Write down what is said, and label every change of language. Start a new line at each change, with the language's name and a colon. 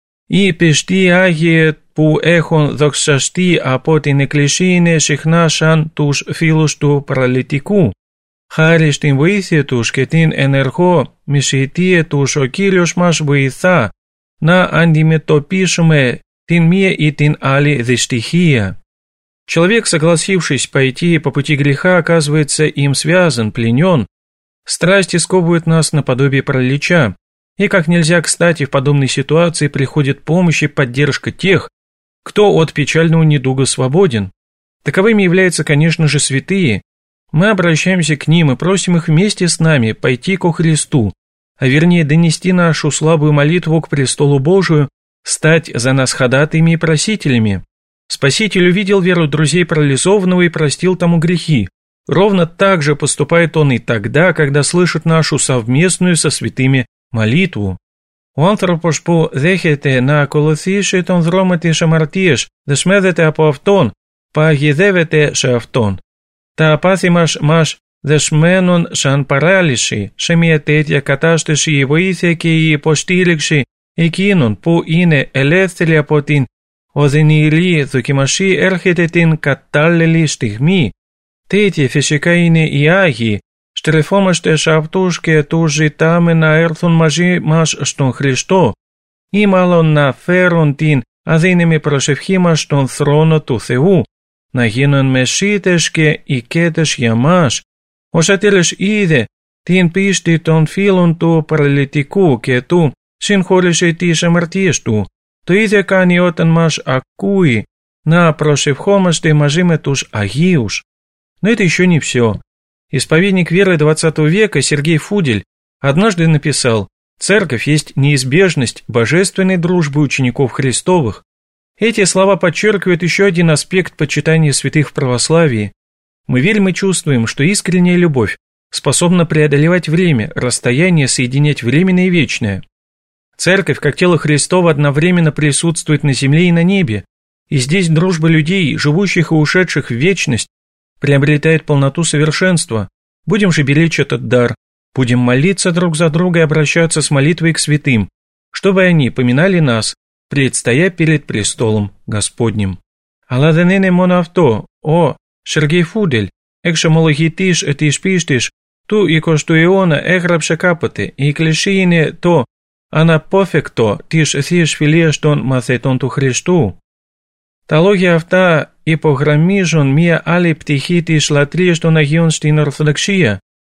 Greek: Οι πιστοί Άγιοι που έχουν δοξαστεί από την Εκκλησία είναι συχνά σαν τους φίλους του παραλυτικού. Χάρη στην βοήθεια τους και την ενεργό μυσιτία τους ο Κύριος μας βοηθά να αντιμετωπίσουμε την μία ή την άλλη δυστυχία.
Russian: Человек, согласившись пойти по пути греха, оказывается им связан, пленен. Страсти сковывают нас наподобие паралича. И как нельзя кстати, в подобной ситуации приходит помощь и поддержка тех, кто от печального недуга свободен. Таковыми являются, конечно же, святые. Мы обращаемся к ним и просим их вместе с нами пойти ко Христу, а вернее донести нашу слабую молитву к престолу Божию, стать за нас ходатаями и просителями. Спаситель увидел веру друзей парализованного и простил тому грехи. Ровно так же поступает он и тогда, когда слышит нашу совместную со святыми молитву.
Greek: Ο άνθρωπος που δέχεται να ακολουθήσει τον δρόμο της αμαρτίας δεσμεύεται από αυτόν, παγιδεύεται σε αυτόν. Τα πάθη μας δεσμένουν σαν παράλυση. Σε μια τέτοια κατάσταση η βοήθεια και η υποστήριξη εκείνων που είναι ελεύθεροι από την οδυνηρή δοκιμασία έρχεται την κατάλληλη στιγμή. Τέτοιοι φυσικά είναι οι Άγιοι. Στρεφόμαστε σε αυτούς και τους ζητάμε να έρθουν μαζί μας στον Χριστό ή μάλλον να φέρουν την αδύναμη προσευχή μας στον θρόνο του Θεού, να γίνουν μεσίτες και οικέτες για μας. Ο Σατήρης είδε την πίστη των φίλων του παραλυτικού και του συγχώρησε τις αμαρτίες του. Το ίδιο κάνει όταν μας ακούει να προσευχόμαστε μαζί με τους Αγίους.
Russian: Но это еще не все. Исповедник веры 20 века Сергей Фудель однажды написал: «Церковь есть неизбежность божественной дружбы учеников Христовых». Эти слова подчеркивают еще один аспект почитания святых в православии. Мы верим и чувствуем, что искренняя любовь способна преодолевать время, расстояние, соединять временное и вечное. Церковь, как тело Христово, одновременно присутствует на земле и на небе, и здесь дружба людей, живущих и ушедших в вечность, приобретает полноту совершенства. Будем же беречь этот дар, будем молиться друг за друга и обращаться с молитвой к святым, чтобы они поминали нас, предстоя перед престолом Господним.
Greek: Αλλά δεν είναι μόνο αυτό, ο Σεργέι Φούντελ, εξομολογητής της πίστης του 20ου αιώνα, έγραψε κάποτε: «Η Εκκλησία είναι το αναπόφευκτο της θείας φιλίας των μαθητών του Χριστού». Τα λόγια αυτά υπογραμμίζουν μία άλλη πτυχή της λατρείας των Αγίων στην Ορθοδοξία.